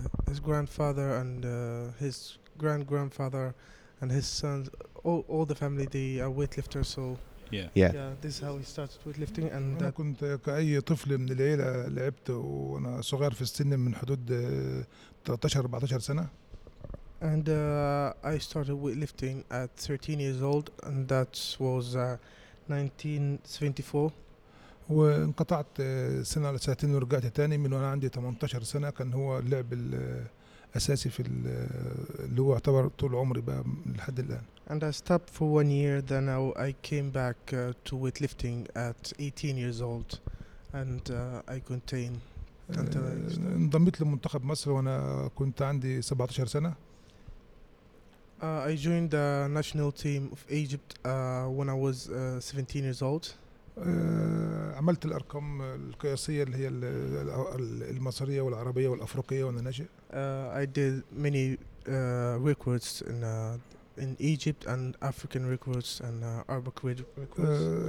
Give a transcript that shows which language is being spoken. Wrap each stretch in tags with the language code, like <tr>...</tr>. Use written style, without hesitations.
<en>His grandfather and his grandfather and his sons, all the family, they are weightlifters. So yeah, this is how he started weightlifting. And</en> <ar>أنا كنت كأي طفل من العيلة لعبت وأنا صغير في السن من حدود 13-14 سنة.</ar> <en>And I started weightlifting at 13 years old, and that was 1974.</en> <ar>وانقطعت سنة على سنتين ورجعت تاني من وأنا عندي 18 سنة. كان هو اللعب الأساسي في اللي هو اعتبر طول عمري بقى لحد الآن.</ar> <en>And I stopped for 1 year, then I came back to weightlifting at 18 years old, and I contained until I started.</en> <ar>انضميت لمنتخب مصر وأنا كنت عندي 17 سنة.</ar> <en>I joined the national team of Egypt when I was 17 years old.</en> <ar>عملت الأرقام القياسية اللي هي المصرية والعربية والأفريقية وأنا ناشئ.</ar> <en>I did many records in Egypt and African records and Arabic records.</en>